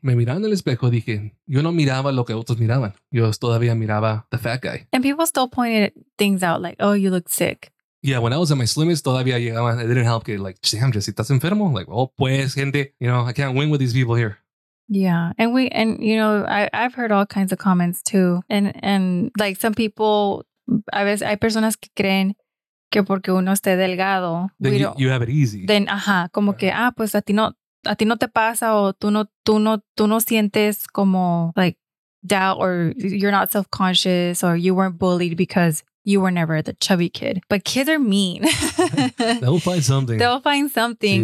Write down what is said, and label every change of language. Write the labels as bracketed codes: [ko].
[es] Me mirando en el espejo dije, yo no miraba lo que otros miraban. Yo todavía miraba [en] the fat guy. And people still pointed things out like, oh, you look sick. Yeah, when I was at my slimmest, [es] todavía llegaba. [en] It didn't help. Like, damn, [es] ¿ya estás enfermo? [en] Like, oh, pues, gente. You know, I can't win with these people here. Yeah. And I've heard all kinds of comments too. And like some people... [es] A veces hay personas que creen que porque uno esté delgado, [en] you have it easy. Then, ajá, como right. [es] que, ah, pues a ti no te pasa o tú no sientes como, [en] like, doubt or you're not self-conscious or you weren't bullied because you were never the chubby kid. But kids are mean. They'll find something.